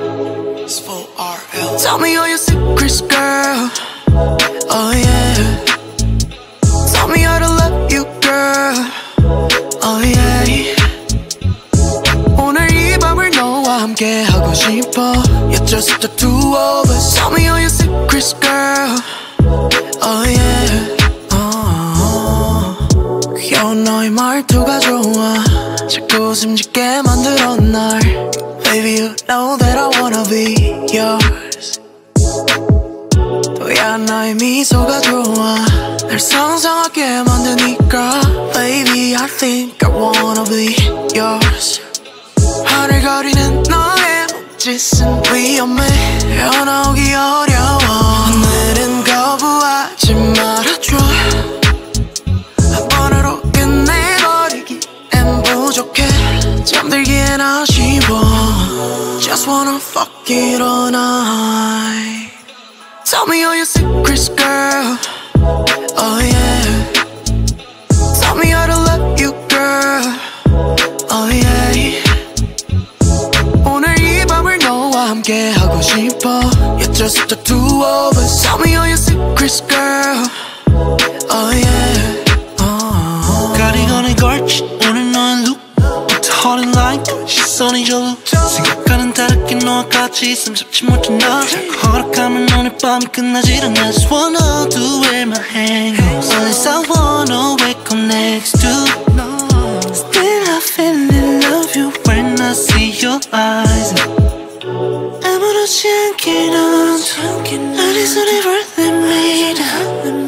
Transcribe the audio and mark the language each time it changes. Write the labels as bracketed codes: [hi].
[en] Tell me all your secrets, girl. Oh yeah. Tell me how to love you, girl. Oh yeah. [ko] 오늘 이 밤을 너와 함께 하고 싶어. [en] You're just the two of us. Tell me all your secrets, girl. Oh yeah. Oh. [ko] 귀여운 너의 말투가 좋아. 자꾸 웃음 짓게 만들어 날. [en] Baby, you know that I wanna be yours. [ko] 또야 너의 미소가 좋아. 날 상상하게 만드니까. [en] Baby, I think I wanna be yours. [ko] 하늘 가리는 너의 짓은 위험해. 헤어나오기 어려워. 오늘은 거부하지 말아줘. 한 번으로 끝내버리기엔 부족해. 잠들기엔 아쉬워. [en] Just wanna fuck it all night. Tell me all your secrets, girl. Oh yeah. Tell me how to love you, girl. Oh yeah. [ko] 오늘 이 밤을 너와 함께 하고 싶어. [en] You're just the two of us. Tell me all your secrets, girl. Oh yeah. Oh. [ko] 가리건의 걸치 오늘 너의 [en] look. It's hurting like [ko] 시선이 저 생각과는 다르게 너와 같이 있음 잡지 못해 나 자꾸 허락하면 오늘 밤이 끝나질 않아. [en] I just wanna do where my hands go. I wanna wake up next to you. Still I feel in love you when I see your eyes. [ko] 아무렇지 않게 넌 어디서 [en] never let me down.